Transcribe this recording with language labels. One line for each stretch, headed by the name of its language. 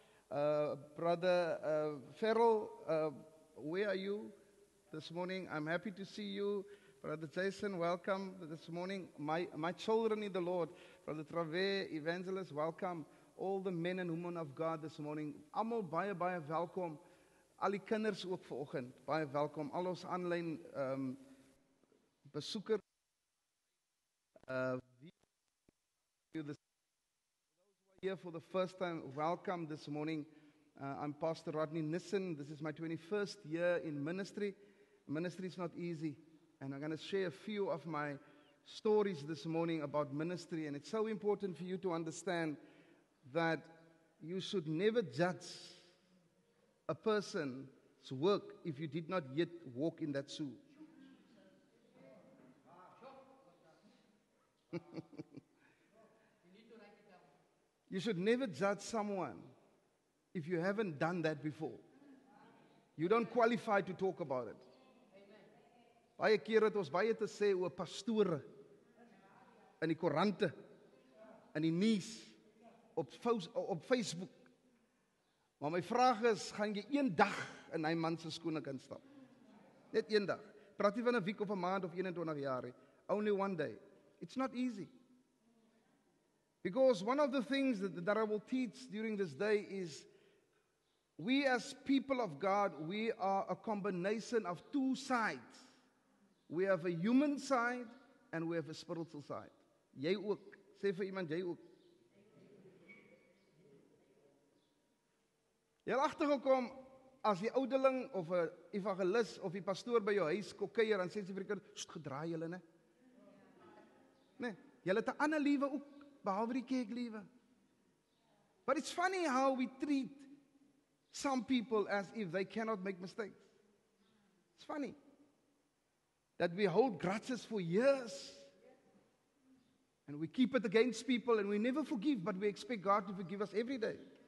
English: Brother Farrell, where are you this morning? I'm happy to see you. Brother Jason, welcome this morning. My children in the Lord. Brother Traver, evangelist, welcome. All the men and women of God this morning.
Afrikaans: Allemaal baie, baie welkom. Al die kinders ook vanoggend, baie welkom. Al ons aanlyn besoekers.
English: Those who are here for the first time, welcome this morning. I'm Pastor Rodney Nissen. This is my 21st year in ministry. Ministry is not easy. And I'm going to share a few of my stories this morning about ministry. And it's so important for you to understand that you should never judge a person's work if you did not yet walk in that shoe. You should never judge someone if you haven't done that before. You don't qualify to talk about it.
Afrikaans: Baie keer het ons baie te sê oor pastore in die koerante, in die nuus, op Facebook. Maar my vraag is, gaan jy een dag in hy man se skoene kan stap? Net een dag. Praat jy van 'n week of 'n maand of 21 jaar?
English: Only one day. It's not easy. Because one of the things that I will teach during this day is, we as people of God, we are a combination of two sides. We have a human side and we have a spiritual side.
Afrikaans: Jy ook. Sê vir iemand, jy ook. Jy het agtergekom, as die oudeling of 'n evangelis of die pastoor by jou huis kom kuier, dan sê jy vir die kinders, gedraai julle, né? Nee, julle het 'n ander lewe ook, behalwe die kerk lewe.
English: But it's funny how we treat some people as if they cannot make mistakes. It's funny that we hold grudges for years and we keep it against people and we never forgive, but we expect God to forgive us every day.